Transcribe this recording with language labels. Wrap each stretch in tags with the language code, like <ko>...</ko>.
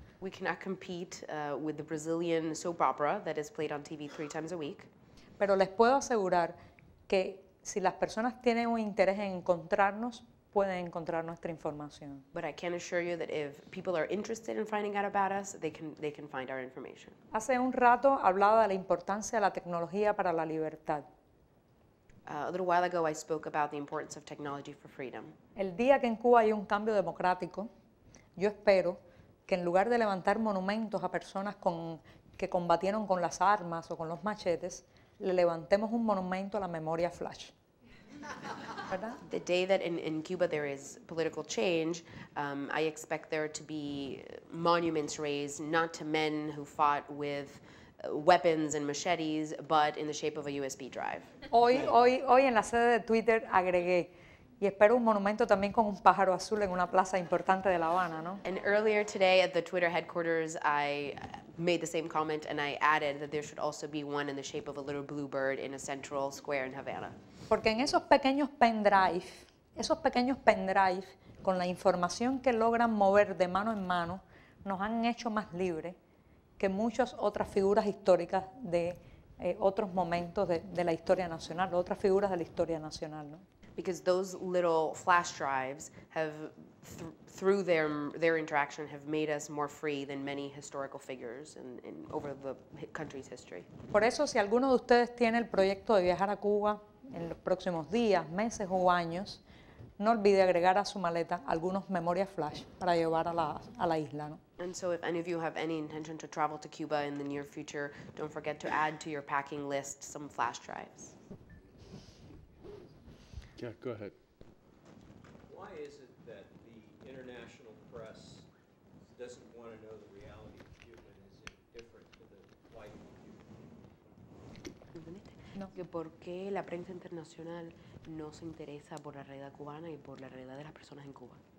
<en>We cannot compete with the Brazilian soap opera that is played on TV three times a week.</en> <es>Pero les puedo asegurar que si las personas tienen un interés en encontrarnos, pueden encontrar nuestra información.</es> <en>But I can assure you that if people are interested in finding out about us, they can find our information.</en> <es>Hace un rato hablaba de la importancia de la tecnología para la libertad.</es> <en>A little while ago, I spoke about the importance of technology for freedom.</en> <es>El día que en Cuba hay un cambio democrático, yo espero que en lugar de levantar monumentos a personas que combatieron con las armas o con los machetes, le levantemos un monumento a la memoria flash.</es> <en>The day that in Cuba there is political change, I expect there to be monuments raised not to men who fought with weapons and machetes, but in the shape of a USB drive.</en> <es>Hoy en la sede de Twitter agregué, y espero un monumento también con un pájaro azul en una plaza importante de La Habana, ¿no?</es> <en>And earlier today at the Twitter headquarters, I made the same comment and I added that there should also be one in the shape of a little blue bird in a central square in Havana.</en> <es>Porque en esos pequeños pendrive, con la información que logran mover de mano en mano, nos han hecho más libres que muchas otras figuras históricas de otros momentos de la historia nacional, otras figuras de la historia nacional, ¿no?</es> <en>Because those little flash drives have, through their interaction, have made us more free than many historical figures in over the country's history.</en> <es>Por eso, si alguno de ustedes tiene el proyecto de viajar a Cuba en los próximos días, meses o años, no olvide agregar a su maleta algunos memorias flash para llevar a la isla, ¿no?</es> <en>And so if any of you have any intention to travel to Cuba in the near future, don't forget to add to your packing list some flash drives. Yeah, go ahead. Why is it that the international press doesn't want to know the reality of Cuba? Is it different to the white Cuba? No.</en> <es>¿Por qué la prensa internacional no se interesa por la realidad cubana y por la realidad de las personas en Cuba?</es>